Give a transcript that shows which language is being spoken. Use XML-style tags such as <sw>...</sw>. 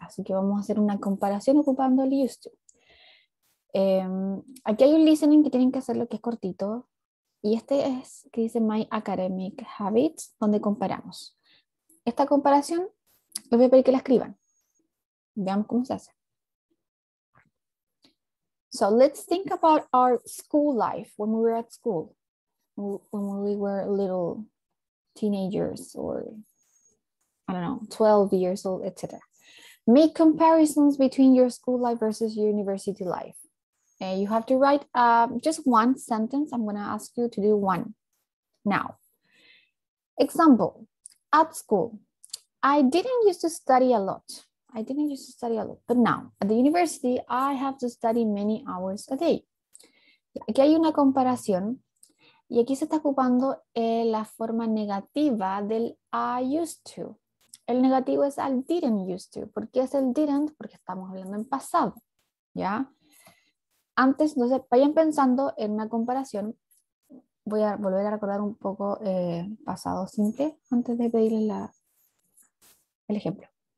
<es>Así que vamos a hacer una comparación ocupando el used to. Aquí hay un listening que tienen que hacer, lo que es cortito. Y este es que dice</es> <en>My Academic Habits,</en> <es>donde comparamos. Esta comparación, les voy a pedir que la escriban. Veamos cómo se hace.</es> <en>So let's think about our school life when we were at school, when we were little teenagers or, I don't know, 12 years old, etc. Make comparisons between your school life versus your university life. And you have to write just one sentence. I'm going to ask you to do one now. Example, at school, I didn't used to study a lot. I didn't used to study a lot, but now at the university, I have to study many hours a day.</en> <es>Aquí hay una comparación y aquí se está ocupando la forma negativa del I used to. El negativo es</es> <en>I didn't used to.</en> <es>¿Por qué es el didn't? Porque estamos hablando en pasado, ¿ya? Antes, no sé, vayan pensando en una comparación. Voy a volver a recordar un poco pasado simple antes de pedirles el ejemplo.</es>